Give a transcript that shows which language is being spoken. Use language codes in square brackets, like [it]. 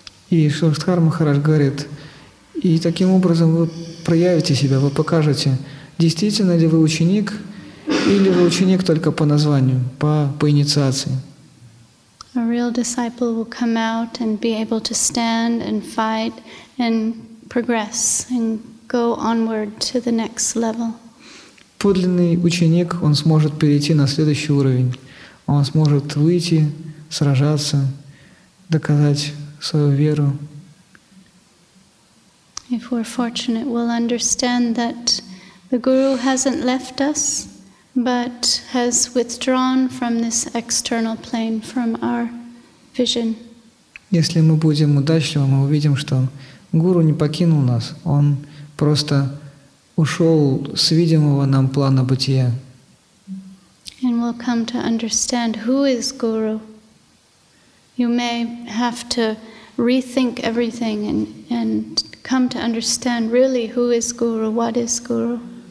[ru] И Шрадхар Махарадж говорит, и таким образом вы проявите себя, вы покажете, действительно ли вы ученик, или вы ученик только по названию, по инициации. [en] A real disciple will come out and be able to stand and fight and progress and go onward to the next level. [ru] Подлинный ученик, он сможет перейти на следующий уровень. Он сможет выйти, сражаться, доказать свою веру. [en] If we're fortunate, we'll understand that the Guru hasn't left us, but has withdrawn from this external plane, from our vision. [ru] Если мы будем удачливы, мы увидим, что Гуру не покинул нас, он просто ушел с видимого нам плана бытия. [en] And we'll come to understand who is Guru. You may have to rethink everything and come to understand really who is Guru, what is Guru.